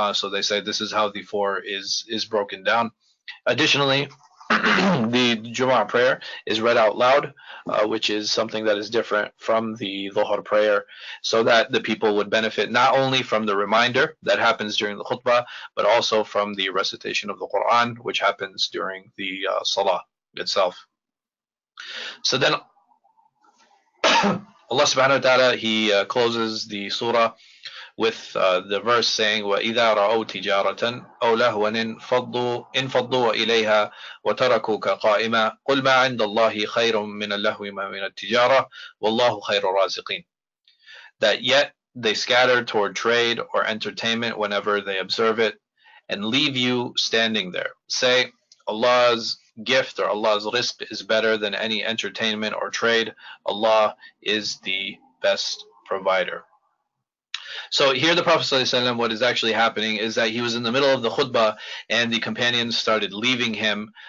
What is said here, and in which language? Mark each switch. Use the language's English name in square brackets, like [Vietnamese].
[English] So they say this is how the four is broken down. Additionally, the Jumu'ah prayer is read out loud, which is something that is different from the Dhuhr prayer, so that the people would benefit not only from the reminder that happens during the khutbah, but also from the recitation of the Quran, which happens during the Salah itself. So then Allah subhanahu wa ta'ala, he closes the surah with the verse saying, [Arabic] وَإِذَا رَأَوْ تِجَارَةً أَوْ لَهْوًا انْفَضُّوا إِلَيْهَا وَتَرَكُوكَ قَائِمًا قُلْ مَا عِنْدَ اللَّهِ خَيْرٌ مِّنَ اللَّهْوِ مَا مِنَ التِّجَارَةِ وَاللَّهُ خَيْرُ الرَّازِقِينَ. [English] That yet they scatter toward trade or entertainment whenever they observe it, and leave you standing there. Say, Allah's gift or Allah's rizq is better than any entertainment or trade. Allah is the best provider. So here the Prophet ﷺ, what is actually happening is that he was in the middle of the khutbah and the companions started leaving him.